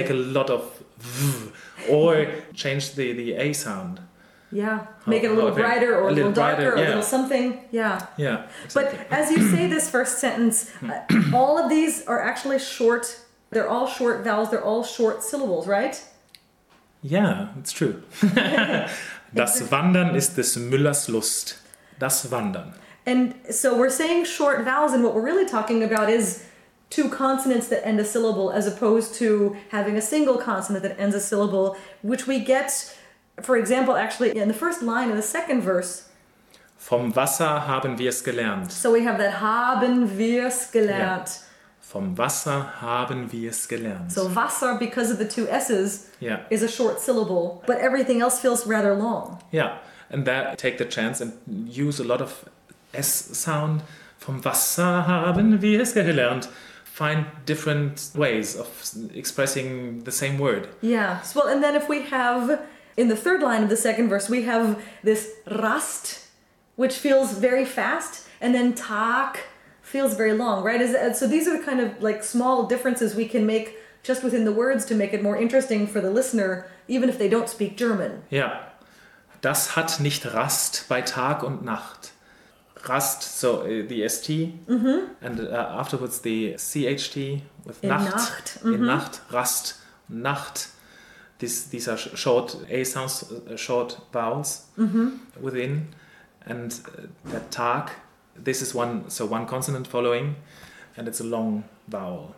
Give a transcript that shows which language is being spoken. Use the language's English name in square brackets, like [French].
[English] Take a lot of V, or change the A sound. Yeah, make it a little brighter or a little darker brighter, or a little something. Yeah. Yeah. Exactly. But as you say this first sentence, all of these are actually short. They're all short vowels. They're all short syllables, right? Yeah, it's true. [German] Das Wandern ist des Müllers Lust. Das Wandern. [English] And so we're saying short vowels, and what we're really talking about is two consonants that end a syllable, as opposed to having a single consonant that ends a syllable, which we get, for example, actually in the first line of the second verse. [German] Vom Wasser haben wir es gelernt. [English] So we have that [German] haben wir es gelernt. [English] Yeah. [German] Vom Wasser haben wir es gelernt. [English] So Wasser, because of the two S's, yeah, is a short syllable, but everything else feels rather long. Yeah, and that take the chance and use a lot of S sound. [German] Vom Wasser haben wir es gelernt. [English] Find different ways of expressing the same word. Yeah. So, well, and then if we have, in the third line of the second verse, we have this Rast, which feels very fast, and then Tag feels very long, right? So these are the kind of like small differences we can make just within the words to make it more interesting for the listener, even if they don't speak German. Yeah. [German] Das hat nicht Rast bei Tag und Nacht. [English] Rast, so the ST, mm-hmm, and afterwards the CHT with in Nacht. Nacht. Mm-hmm. In Nacht, Rast, Nacht. These are short A sounds, short vowels, mm-hmm, within. And that Tag, this is one, so one consonant following, and it's a long vowel.